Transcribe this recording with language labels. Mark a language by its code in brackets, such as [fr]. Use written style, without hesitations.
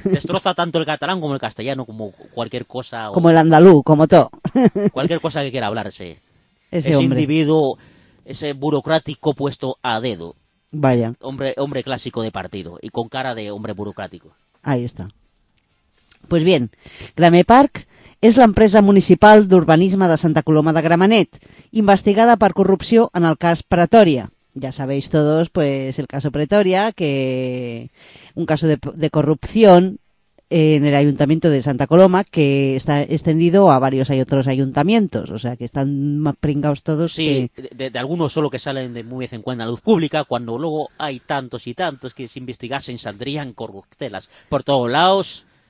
[es] Destroza tanto el catalán como el castellano, como cualquier cosa. O como el andaluz, como todo. Cualquier cosa que quiera hablarse. Ese hombre. Individuo, ese burocrático puesto a dedo. Vaya. Hombre clásico de partido y con cara de hombre burocrático. Ahí está. Pues bien, [ca] Gramepark és l'empresa municipal d'urbanisme de Santa Coloma de Gramenet, investigada per corrupció en el cas Pretòria. [es] Ya sabéis todos, pues, el caso Pretoria, que un caso de corrupción en el Ayuntamiento de Santa Coloma, que está extendido a varios hay otros ayuntamientos, o sea, que están más pringados todos. Sí, que... de algunos solo que salen de muy vez en cuando a luz pública, cuando luego hay tantos y tantos que si investigasen saldrían corruptelas por todos lados.